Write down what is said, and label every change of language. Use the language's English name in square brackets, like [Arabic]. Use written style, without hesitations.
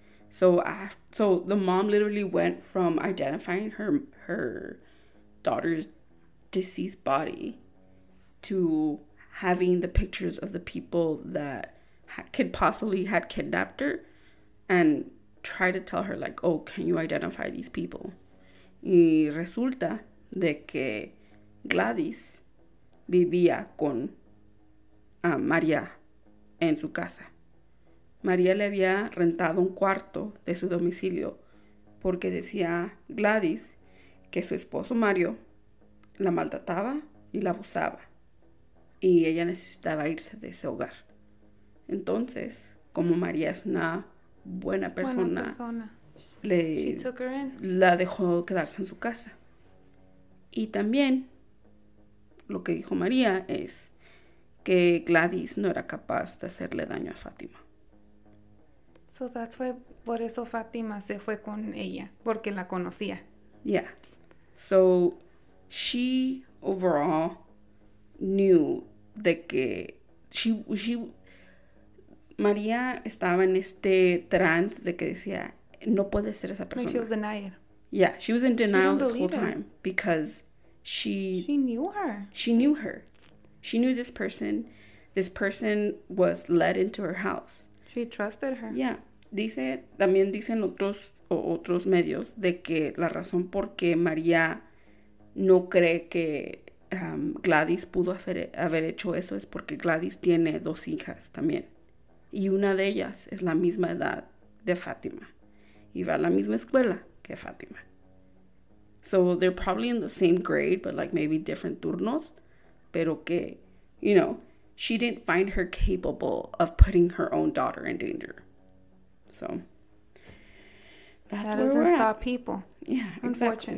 [English] So the mom literally went from identifying her daughter's deceased body to having the pictures of the people that had kidnapped her and tried to tell her, like, oh, can you identify these people? [Spanish] Y resulta de que Gladys vivía con María en su casa. María le había rentado un cuarto de su domicilio porque decía Gladys que su esposo Mario la maltrataba y la abusaba. Y ella necesitaba irse de ese hogar. Entonces, como María es una buena persona, la dejó quedarse en su casa. Y también, lo que dijo María es que Gladys no era capaz de hacerle daño a Fátima. [English] So that's why, [Spanish] por eso Fátima se fue con ella, porque la conocía. [English] Yeah. So, she overall knew [Spanish] de que she María estaba en este trance de que decía, no puede ser esa persona. [English] Like she was denying. Yeah, she was in denial this whole time because she knew her. She knew her. She knew this person. This person was led into her house. She trusted her. Yeah. [Spanish] También dicen otros medios de que la razón por qué María no cree que Gladys pudo haber hecho eso es porque Gladys tiene 2 hijas también. Y una de ellas es la misma edad de Fátima. Y va a la misma escuela que Fátima. [English] So they're probably in the same grade, but like maybe different turnos. [Spanish] Pero que, [English] you know, she didn't find her capable of putting her own daughter in danger. So that's where we're at. That doesn't stop people. Yeah, exactly. Unfortunately,